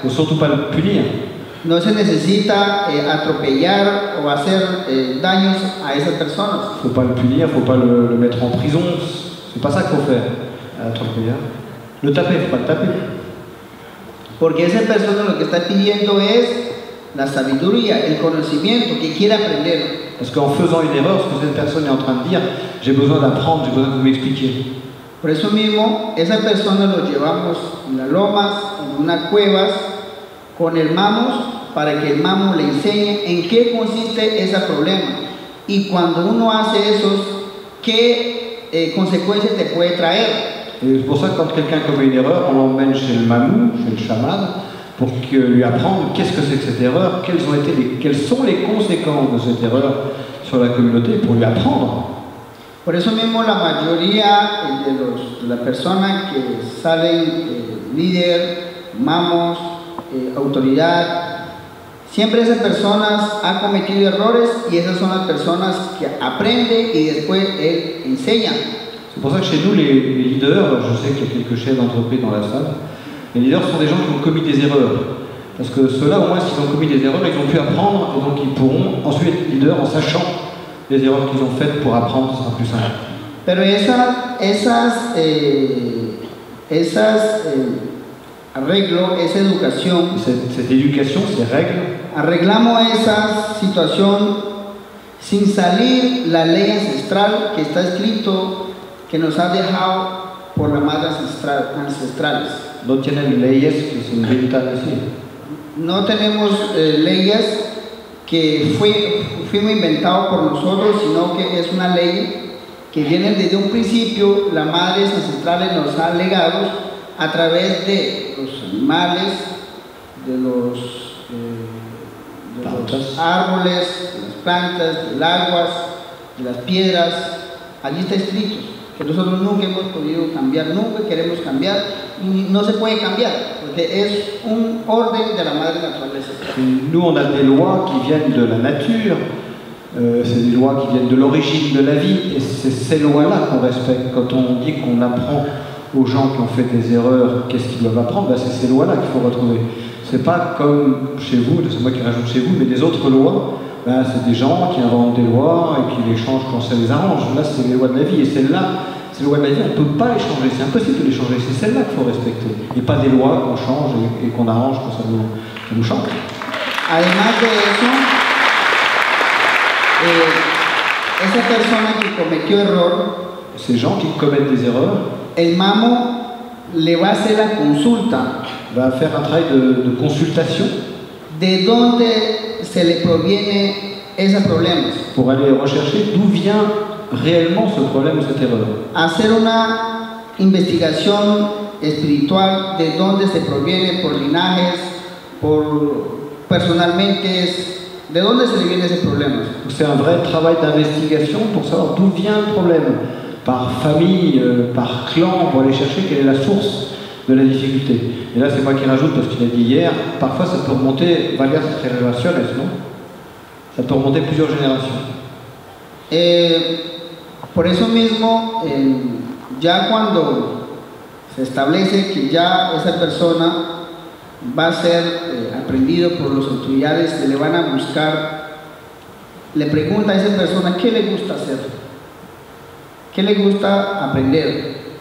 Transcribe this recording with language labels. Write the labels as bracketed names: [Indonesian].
[French] Faut surtout pas le punir. [Spanish] No se necesita atropellar o hacer daños a esas personas. [French] Faut pas le punir, faut pas le mettre en prison. C'est pas ça qu'il faut faire. Atropellar. Le taper, faut pas le taper. [Spanish] Porque esa persona lo que está pidiendo es la sabiduría, el conocimiento que quiere aprender. [French] Parce qu'en faisant une erreur, ce que cette personne est en train de dire, j'ai besoin d'apprendre, j'ai besoin que vous m'expliquiez. [Spanish] Por eso mismo, esa persona lo llevamos en las lomas, en unas cuevas, con el mamo, para que el mamo le enseñe en qué consiste ese problema. Y cuando uno hace eso, ¿qué consecuencias te puede traer? [French] Et c'est pour ça que quand quelqu'un commet une erreur, on l'emmène chez le mamou, chez le chaman, pour lui apprendre qu'est-ce que c'est que cette erreur, quelles sont les conséquences de cette erreur sur la communauté, pour lui apprendre. [Spanish] Por eso mismo la mayoría de las personas que salen líder, mamos, autoridad, siempre esas personas han cometido errores y esas son las personas que aprende y después él enseña. [French] C'est pour ça que chez nous, les leaders, alors je sais qu'il y a quelques chefs d'entreprise dans la salle, les leaders sont des gens qui ont commis des erreurs. Parce que ceux-là, au moins, s'ils ont commis des erreurs, ils ont pu apprendre, et donc ils pourront ensuite être leaders en sachant les erreurs qu'ils ont faites pour apprendre, ce sera plus simple. [Spanish] Pero esa educación, [French] cette éducation, ces règles, [Spanish] arreglamos esa situación sin salir la ley ancestral que está escrito que nos ha dejado por las madres ancestrales. No tienen leyes que se inventan así. No tenemos leyes que fuimos inventados por nosotros, sino que es una ley que viene desde un principio, las madres ancestrales nos han legado a través de los animales, de los árboles, de las plantas, del agua, de las piedras. Allí está escrito. Nosotros nunca hemos podido cambiar, nunca queremos cambiar, y no se puede cambiar, porque es un orden de la madre naturaleza. [French] Nous on a des lois qui viennent de la nature, c'est des lois qui viennent de l'origine de la vie, et c'est ces lois-là qu'on respecte. Quand on dit qu'on apprend aux gens qui ont fait des erreurs, qu'est-ce qu'ils doivent apprendre, c'est ces lois-là qu'il faut retrouver. C'est pas comme chez vous, c'est moi qui rajoute chez vous, mais des autres lois. Ben, c'est des gens qui inventent des lois et qui les changent quand ça les arrange. Là, c'est les lois de la vie. Et celles-là, ces lois de la vie, on ne peut pas les changer. C'est impossible de les changer. C'est celles-là qu'il faut respecter. Et pas des lois qu'on change et qu'on arrange quand ça nous chante. [Spanish] Además de eso, esa persona qui cometió error, [French] ces gens qui commettent des erreurs, [Spanish] el mamo le va a hacer la consulta. [French] Va faire un travail de consultation. [Spanish] De dónde se le proviene ese problema. [French] Pour aller rechercher d'où vient réellement ce problème ou cette erreur. [Spanish] Hacer una investigación espiritual de dónde se proviene por linajes, por personalmente, de dónde se le viene ese problema. [French] C'est un vrai travail d'investigation pour savoir d'où vient le problème. Par famille, par clan, pour aller chercher quelle est la source de la difficulté. Et là, c'est moi qui rajoute parce qu'il a dit hier, parfois ça peut remonter, valeur c'est très générationnel, non? Ça peut remonter plusieurs générations. [Spanish] Por eso mismo, ya cuando se establece que ya esa persona va a ser aprendido por las autoridades, se le van a buscar, le pregunta a esa persona qué le gusta hacer, qué le gusta aprender.